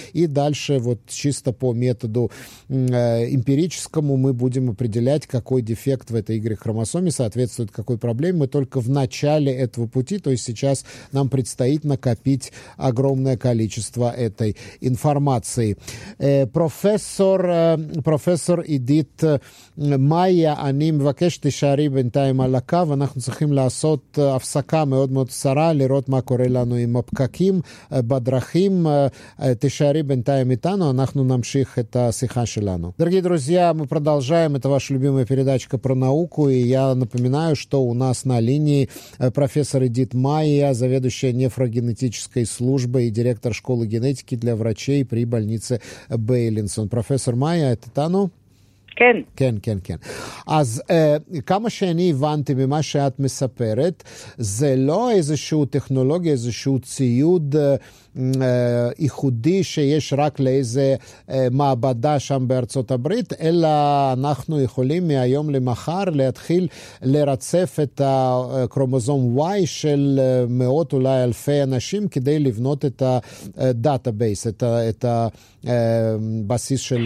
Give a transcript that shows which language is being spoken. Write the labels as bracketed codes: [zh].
[ru] И дальше вот чисто по методу эмпирическому мы будем определять, какой дефект в этой Y-хромосоме соответствует какой проблеме. Мы только в начале этого пути, то есть сейчас нам предстоит накопить огромное количество этой информации. [he] Профессор Идит Майя, אני מבקש תישארי בינתיים על הקו, אנחנו צריכים לעשות הפסקה מאוד מאוד קצרה, לראות מה קורה לנו עם הפקקים בדרכים. תישארי בינתיים איתנו, אנחנו נמשיך את השיחה שלנו. [ru] Дорогие друзья, мы продолжаем, это ваша любимая передачка про науку, и я напоминаю, что у нас на линии профессор Идит Майя, заведующая нефрогенетической службой и директор школы генетики для врачей при больнице Бейлинсон. Профессор Майя, это Тану? [he] Кен. אז כמה שאני הבנתי ממה שאת מספרת, זה לא איזשהו טכנולוגיה, איזשהו ציוד ייחודי שיש רק לאיזה מעבדה שם בארצות הברית, אלא אנחנו יכולים מהיום למחר להתחיל לרצף את הכרומוזום Y של מאות אולי אלפי אנשים כדי לבנות את הדאטאבייס, את הבסיס של